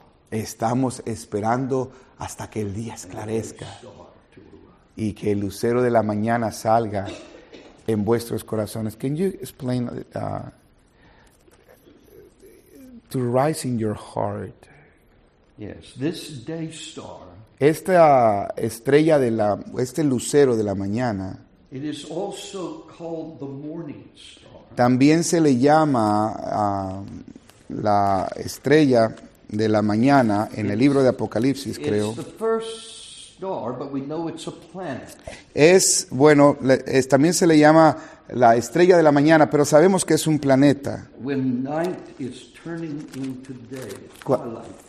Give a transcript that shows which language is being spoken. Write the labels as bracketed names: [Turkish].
[Spanish] Estamos esperando hasta que el día esclarezca. Y que el lucero de la mañana salga en vuestros corazones. [English] Can you explain to rise in your heart? Yes, this day star. [Spanish] Esta estrella este lucero de la mañana. [English] It is also called the morning star. [Spanish] También se le llama la estrella de la mañana en el libro de Apocalipsis, creo. [English] It's the first star, but we know it's a planet. [Spanish] Es, bueno, es, también se le llama la estrella de la mañana, pero sabemos que es un planeta. [English] When night is turning into day, twilight.